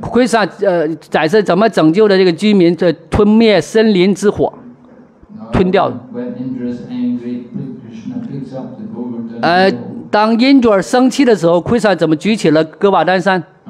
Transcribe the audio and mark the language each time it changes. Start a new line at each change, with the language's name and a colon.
Chinese: Krishna, 在这怎么拯救的这个居民？这吞灭森林之火，
English: Now,
Chinese: 吞掉。
English: When Indra's angry, Krishna picks up the Govardhan.
Chinese: 当 Indra 生气的时候 ，Krishna 怎么举起了哥瓦丹山？